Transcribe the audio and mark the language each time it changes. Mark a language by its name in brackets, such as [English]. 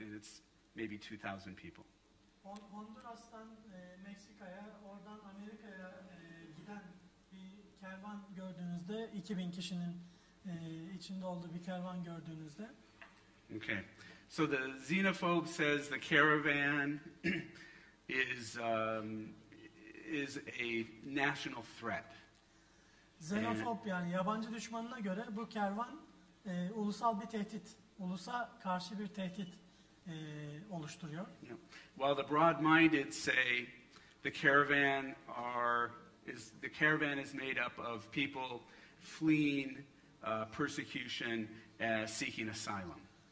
[English] And it's maybe 2000 people. [Turkish] Honduras'tan Meksika'ya, oradan Amerika'ya giden bir kervan gördüğünüzde, 2000 kişinin içinde olduğu bir kervan gördüğünüzde. [English] Okay. So the xenophobe says the caravan is a national threat. [Turkish] Xenophobe yani yabancı düşmanına göre bu kervan ulusal bir tehdit, ulusa karşı bir tehdit oluşturuyor. [English] Yeah. While the broad-minded say the caravan is made up of people fleeing persecution seeking asylum.